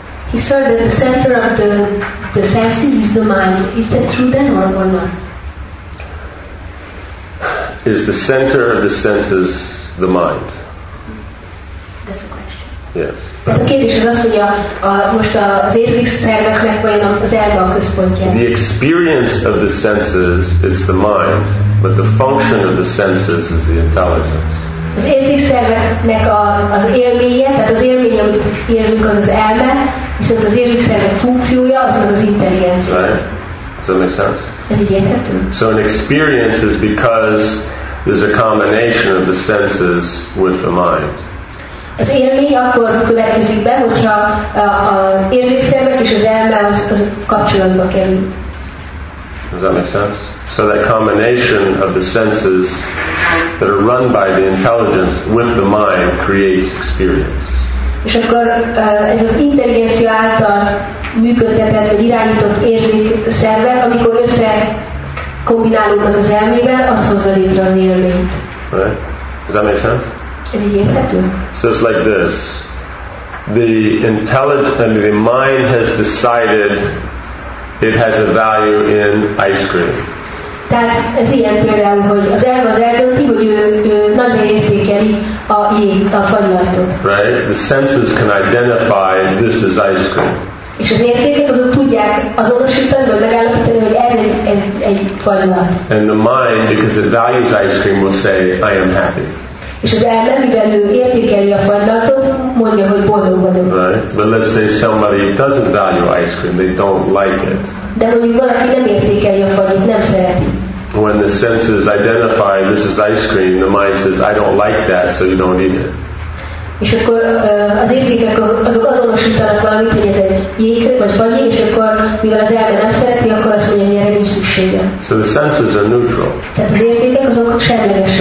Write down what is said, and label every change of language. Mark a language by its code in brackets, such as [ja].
[en] He said that the center of the senses is the mind. Is that true then or not? Is the center of the senses the mind? That's a question. Yes. [hu] Tehát a kérdés az, hogy most az érzékszerveknek vajon az elme a központja. [en] The experience of the senses is the mind, but the function of the senses is the intelligence. [hu] Az érzékszerveknek az élménye, tehát az élmény, amit érzünk, az az elme, viszont az érzékszervek funkciója az meg az intelligencia. [en] Right? Does that make sense? [hu] Ez így érthető. [en] So an experience is because there's a combination of the senses with the mind. [hu] Az élmény akkor következik be, hogyha az érzékszervek és az elme az kapcsolatba kerül. [en] Does that make sense? So that combination of the senses that are run by the intelligence with the mind creates experience. [hu] És akkor ez az intelligencia által működtetett vagy irányított érzékszervek, amikor összekombinálódnak az elmével, az hozza létre az élményt. [en] Right? Does that make sense? [hu] Ez így érthető. [en] So it's like this. The intelligence, the mind has decided it has a value in ice cream. [hu] Tehát ez ilyen például, hogy az elme az eldönti, hogy ő nagyon értékeli a jégt, a fagylaltot. [en] Right? The senses can identify this is ice cream. [hu] És az érzékek azok tudják azonosítani, vagy megállapítani, hogy ez egy fagylalt. [en] And the mind, because it values ice cream, will say, I am happy. [hu] És az elme, mivel ő értékeli a fagylaltot, mondja, hogy boldog vagyok. [en] Right? But let's say somebody doesn't value ice cream, they don't like it. [hu] De mondjuk valaki nem értékeli a fagyit, nem szereti. [en] When the senses identify this is ice cream, the mind says, I don't like that, so you don't eat it. [hu] És akkor az érzékek azok azonosítanak valamit, hogy ez egy jégkrém vagy fagyi, és akkor mivel az elme nem szereti, akkor azt mondja, hogy erre nincs szüksége. [en] So the senses are neutral. [hu] Tehát az érzékek azok semlegesek.